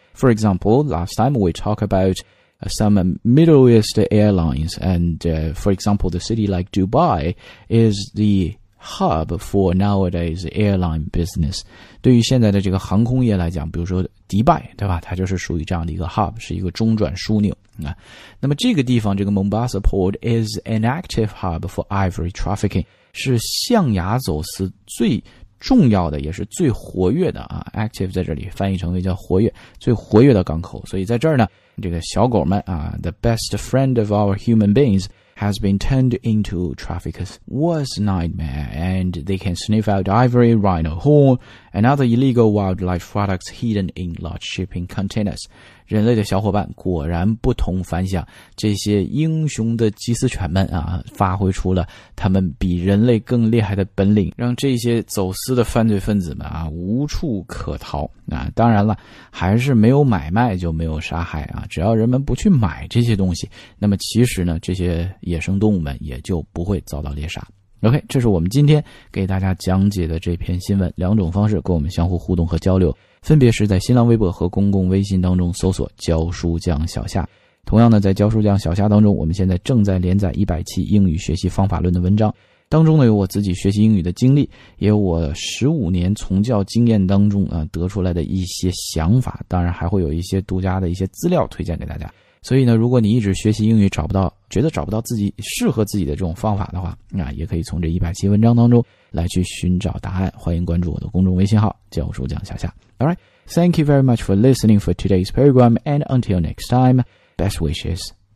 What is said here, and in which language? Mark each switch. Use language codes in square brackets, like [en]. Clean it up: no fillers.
[en] For example, last time we talked about some Middle East airlines and for example, the city like Dubai is the hub for nowadays airline business. [zh] 对于现在的这个航空业来讲比如说迪拜对吧它就是属于这样的一个 hub, 是一个中转枢纽。那么这个地方这个 [en] Mombasa port is an active hub for ivory trafficking, [zh] 是象牙走私最重要的也是最活跃的啊 ,active 在这里翻译成为叫活跃最活跃的港口。所以在这儿呢这个小狗们啊 [en] ,the best friend of our human beings has been turned into traffickers worst nightmare, and they can sniff out ivory, rhino horn, and other illegal wildlife products hidden in large shipping containers. [zh] 人类的小伙伴果然不同凡响这些英雄的缉私犬们啊发挥出了他们比人类更厉害的本领让这些走私的犯罪分子们啊无处可逃啊当然了还是没有买卖就没有杀害啊只要人们不去买这些东西那么其实呢这些野生动物们也就不会遭到猎杀。 OK, 这是我们今天给大家讲解的这篇新闻两种方式跟我们相互互动和交流分别是在新浪微博和公共微信当中搜索教书匠小夏。同样呢，在教书匠小虾当中，我们现在正在连载100期英语学习方法论的文章，当中呢有我自己学习英语的经历，也有我15年从教经验当中啊得出来的一些想法，当然还会有一些独家的一些资料推荐给大家。所以呢，如果你一直学习英语找不到，觉得找不到自己适合自己的这种方法的话，那也可以从这100期文章当中来去寻找答案。欢迎关注我的公众微信号教书匠小虾。 [en] Alright, thank you very much for listening for today's program, and until next time, best wishes.